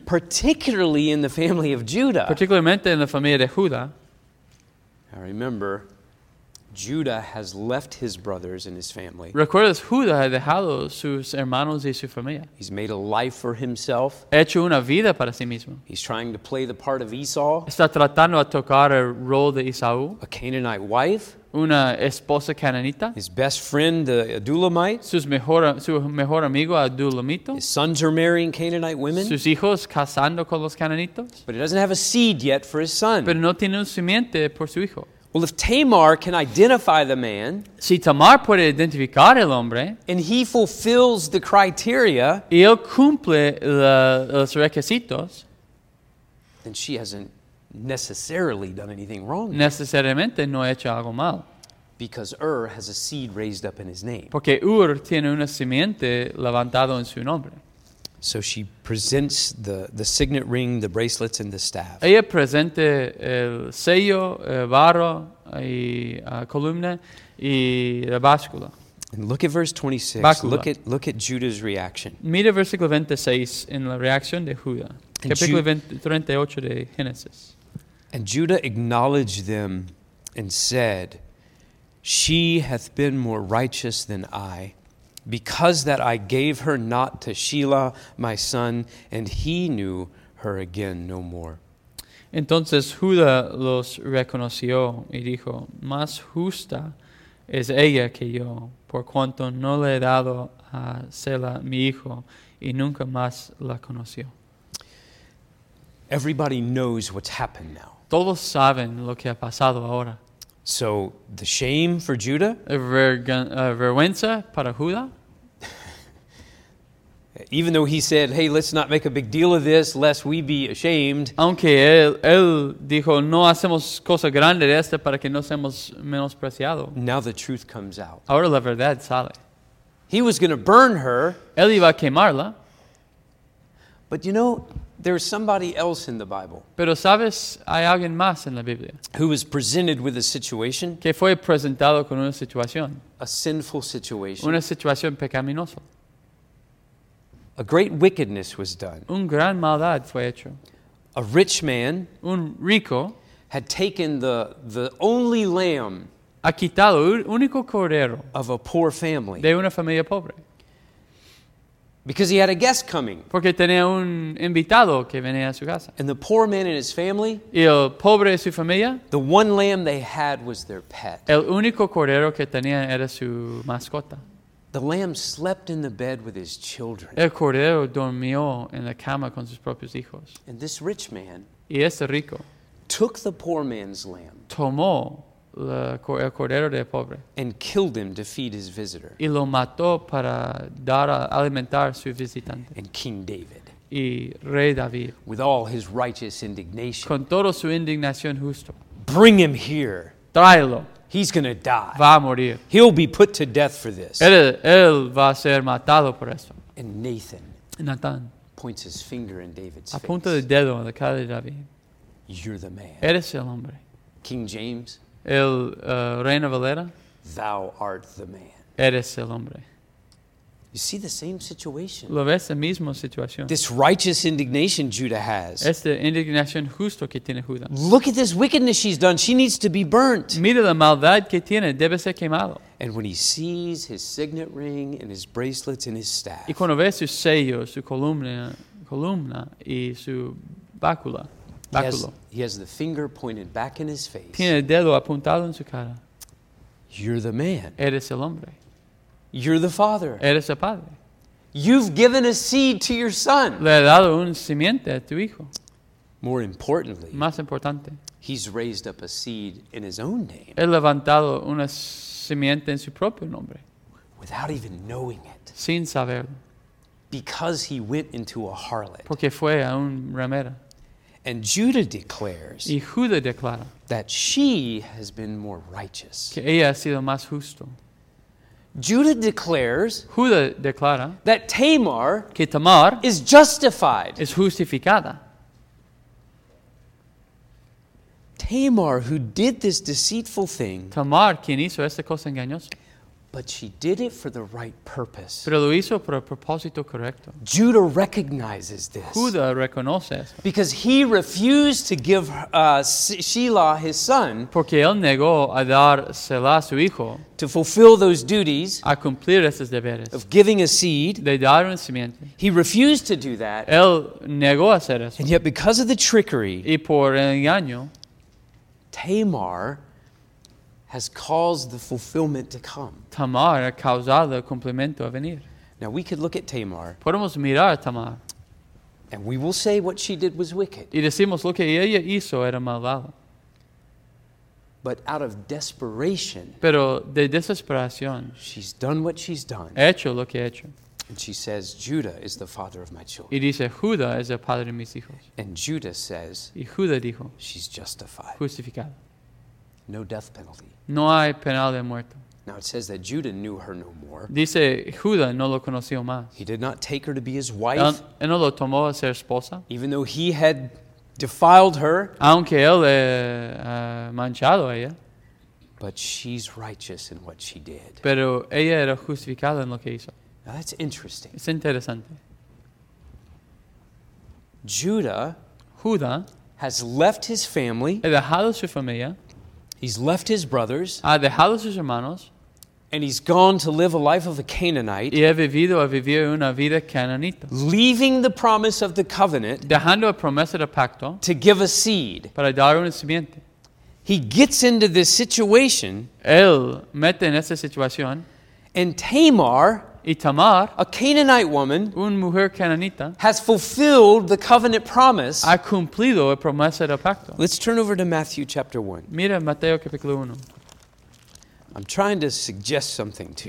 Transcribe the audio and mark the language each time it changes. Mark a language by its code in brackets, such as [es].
[en] Particularly in the family of Judah. [es] Particularmente en la familia de Judá. [en] I remember, Judah has left his brothers and his family. [es] ¿Recuerdas? Judá ha dejado sus hermanos y su familia. [en] He's made a life for himself. [es] Ha hecho una vida para sí mismo. [en] He's trying to play the part of Esau. [es] Está tratando a tocar el rol de Esaú. [en] A Canaanite wife. [es] Una esposa cananita. [en] His best friend, the Adulamite. [es] Su mejor amigo, Adulamito. [en] His sons are marrying Canaanite women. [es] Sus hijos casando con los cananitos. [en] But he doesn't have a seed yet for his son. [es] Pero no tiene un simiente por su hijo. [en] Well, if Tamar can identify the man, [es] si Tamar puede identificar el hombre, [en] and he fulfills the criteria, [es] y él cumple los requisitos, [en] then she hasn't necessarily done anything wrong. [es] Necesariamente no ha hecho algo mal. [en] Because has a seed raised up in his name. [es] Porque tiene una simiente levantado en su nombre. [en] So she presents the signet ring, the bracelets, and the staff. [es] Ella presenta el sello, el barro, y columna, y la báscula. [en] And look at verse 26. Báscula. Look at Judah's reaction. [es] Mira versículo 26 en la reacción de Judá. Capítulo 38 de Génesis. [en] And Judah acknowledged them and said, "She hath been more righteous than I, because that I gave her not to Shelah, my son, and he knew her again no more." [es] Entonces Judá los reconoció y dijo, "Más justa es ella que yo, por cuanto no le he dado a Shelah mi hijo, y nunca más la conoció." [en] Everybody knows what's happened now. [es] Todos saben lo que ha pasado ahora. [en] So, the shame for Judah? [es] Vergüenza para Judá? [en] Even though he said, "Hey, let's not make a big deal of this, lest we be ashamed." [es] Aunque él dijo, "No hacemos cosa grande de esta para que no seamos menospreciado." [en] Now the truth comes out. [es] Ahora la verdad sale. [en] He was going to burn her. [es] Él iba a quemarla. [en] But you know, there's somebody else in the Bible. [es] Pero sabes, hay alguien más en la Biblia. [en] Who was presented with a situation? [es] Que fue presentado con una situación. [en] A sinful situation. [es] Una situación pecaminosa. [en] A great wickedness was done. [es] Un gran maldad fue hecho. [en] A rich man, [es] un rico, [en] had taken the only lamb. [es] Ha quitado el único cordero. [en] Of a poor family. [es] De una familia pobre. [en] Because he had a guest coming. [es] Porque tenía un invitado que venía a su casa. [en] And the poor man and his family. [es] Y el pobre y su familia. [en] The one lamb they had was their pet. [es] El único cordero que tenía era su mascota. [en] The lamb slept in the bed with his children. [es] El cordero dormió en la cama con sus propios hijos. [en] And this rich man. [es] Y este rico. [en] Took the poor man's lamb. [es] Tomó el cordero del pobre. [en] And killed him to feed his visitor. [es] Y lo mató para dar a alimentar su visitante. [en] And King David. [es] Y Rey David. [en] With all his righteous indignation. [es] Con toda su indignación justo. [en] Bring him here. [es] Tráelo. [en] He's going to die. [es] Va a morir. [en] He'll be put to death for this. [es] Él va a ser matado por esto. [en] And Nathan. [es] Natán. [en] Points his finger in David's face. [es] Apunta el dedo en la cara de David. [en] You're the man. [es] Eres el hombre. [en] King James. [es] El Reina Valera. [en] Thou art the man. [es] Eres el hombre. [en] You see the same situation. [es] Lo ves la misma situación. [en] This righteous indignation Judah has. [es] Esta indignación justo que tiene Judá. [en] Look at this wickedness she's done. She needs to be burnt. [es] Mira la maldad que tiene. Debe ser quemado. [en] And when he sees his signet ring and his bracelets and his staff. [es] Y cuando ve su sello, su columna y su báculo. [en] He has the finger pointed back in his face. [es] Tiene el dedo apuntado en su cara. [en] You're the man. [es] Eres el hombre. [en] You're the father. [es] Eres el padre. [en] You've given a seed to your son. [es] Le ha dado un simiente a tu hijo. [en] More importantly, [es] más importante, [en] he's raised up a seed in his own name. [es] He levantado una simiente en su propio nombre. [en] Without even knowing it. [es] Sin saberlo. [en] Because he went into a harlot. [es] Porque fue a un ramera. [en] And Judah declares [es] y Judá declara [en] that she has been more righteous. [es] Que ella ha sido más justo. [en] Judah declares [es] Judá declara [en] that Tamar, [es] que Tamar [en] is justified. [es] Es justificada. [en] Tamar, who did this deceitful thing, [es] Tamar, quien hizo esta cosa engañosa, [en] But she did it for the right purpose. [es] Pero lo hizo por el propósito correcto. [en] Judah recognizes this. [es] Judah reconoce esto. [en] Because he refused to give Shelah his son. [es] Porque él negó a dar Selah su hijo. [en] To fulfill those duties. [es] A cumplir esos deberes. [en] Of giving a seed. [es] De dar un simiente. [en] He refused to do that. [es] Él negó hacer eso. [en] And yet because of the trickery. [es] Y por el engaño. [en] Tamar has caused the fulfillment to come. [es] Tamar ha causado el cumplimiento a venir. [en] Now we could look at Tamar. [es] Podemos mirar a Tamar. [en] And we will say what she did was wicked. [es] Y decimos lo que ella hizo era malvado. [en] But out of desperation. [es] Pero de desesperación. [en] She's done what she's done. [es] Hecho lo que ha hecho. [en] And she says, Judah is the father of my children. [es] Y dice, Judah es el padre de mis hijos. [en] And Judah says. [es] Y Judah dijo. [en] She's justified. [es] Justificada. [en] No death penalty. [es] No hay penal de muerte. [en] Now it says that Judah knew her no more. [es] Dice, Judah no lo conoció más. [en] He did not take her to be his wife. [es] Él no lo tomó a ser esposa. [en] Even though he had defiled her. [es] Aunque él ha manchado a ella. [en] But she's righteous in what she did. [es] Pero ella era justificada en lo que hizo. [en] Now that's interesting. [es] Es interesante. [en] Judah has left his family. [es] Ha dejado su familia. [en] He's left his brothers. [es] Ha dejado sus hermanos. [en] And he's gone to live a life of a Canaanite. [es] Y ha vivido a vivir una vida cananita. [en] Leaving the promise of the covenant. [es] Dejando la promesa del pacto. [en] To give a seed. [es] Para dar una simiente. [en] He gets into this situation. [es] Él mete en esa situación. [en] And Tamar. [es] Y Tamar. [en] A Canaanite woman. [es] Una mujer cananita. [en] Has fulfilled the covenant promise. [es] Ha cumplido la promesa del pacto. [en] Let's turn over to Matthew chapter 1. [es] Mira Mateo capítulo 1. [en] I'm trying to suggest something to